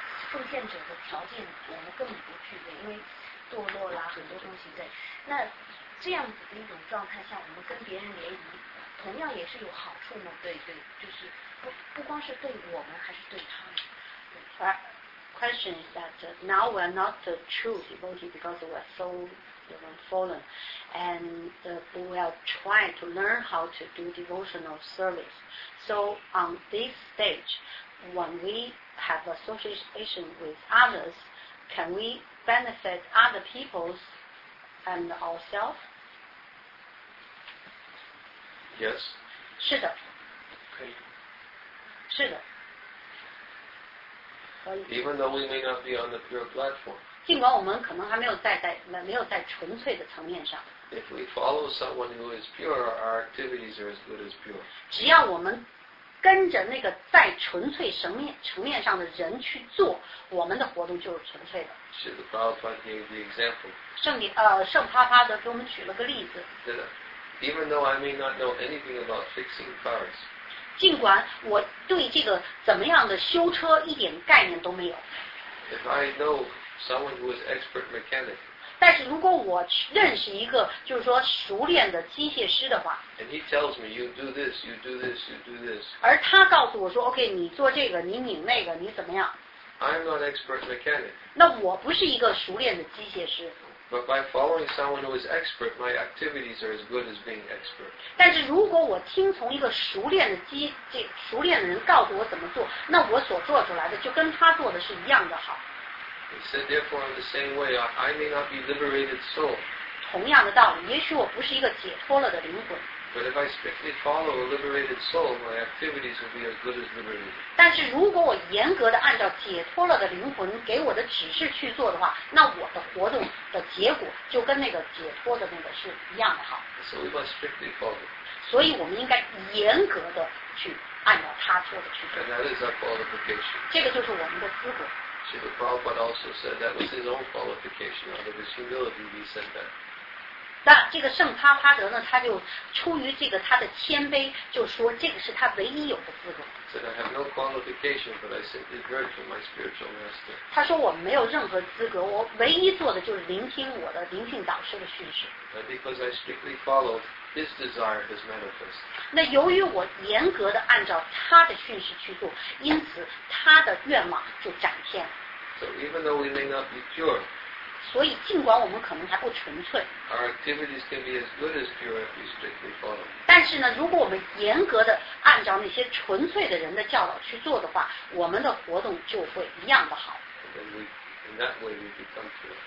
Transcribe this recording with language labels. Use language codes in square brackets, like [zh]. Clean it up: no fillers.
[zh] 受限者的条件我们根本不具备，因为堕落啦，很多东西在那这样子的一种状态下，我们跟别人联谊同样也是有好处吗？对对，就是不光是对我们，还是对他们。 [en] Question is that now we are not the true devotee because we are so, you know, fallen, and we are trying to learn how to do devotional service. So on this stage, when we have association with others, can we benefit other people's and ourselves? Yes. [zh] 是的。可以。是的。 [en] Even though we may not be on the pure platform, [zh] 尽管我们可能还没有在纯粹的层面上。 [en] If we follow someone who is pure, our activities are as good as pure. [zh] 只要我们跟着那个在纯粹层面上的人去做，我们的活动就是纯粹的。是的，巴哈帕给的 example. 圣帕帕德给我们举了个例子。对的。 [en] Even though I may not know anything about fixing cars. [zh] 尽管我对这个怎么样的修车一点概念都没有。 [en] If I know someone who is expert mechanic, [zh] 但是如果我认识一个就是说熟练的机械师的话。 [en] And he tells me, you do this, you do this, you do this. [zh] 而他告诉我说 ,OK, 你做这个你拧那个你怎么样。 [en] I'm not expert mechanic. [zh] 那我不是一个熟练的机械师。 [en] But by following someone who is expert, my activities are as good as being expert. [zh] 但是如果我听从一个熟练的人告诉我怎么做，那我所做出来的就跟他做的是一样的好。 [en] He said, therefore, in the same way, I may not be liberated soul. [zh] 同样的道理，也许我不是一个解脱了的灵魂。 [en] But if I strictly follow a liberated soul, my activities will be as good as liberated. [zh] 但是如果我严格的按照解脱了的灵魂给我的指示去做的话，那我的活动的结果就跟那个解脱的那个是一样的好。 [en] So we must strictly follow. [zh] 所以我们应该严格的去按照他说的去做。 [en] And that is our qualification. [zh] 这个就是我们的资格。 [en] See, the Prabhupada also said that was his own qualification. Out of his humility, he said that. [zh] 那这个圣帕帕德呢，他就出于这个他的谦卑，就说这个是他唯一有的资格。 [en] Said I have no qualification, but I simply heard from my spiritual master. [zh] 他说我没有任何资格，我唯一做的就是聆听我的灵性导师的训示。 [en] Because I strictly followed his desire, his manifest. [zh] 那由于我严格的按照他的训示去做，因此他的愿望就展现了。 [en] So even though we may not be pure. [zh] 所以尽管我们可能还不纯粹 [en] Our activities can be as good as pure if we strictly follow. [zh] 但是呢如果我们严格的按照那些纯粹的人的教导去做的话我们的活动就会一样的好 [en] in that way we become pure.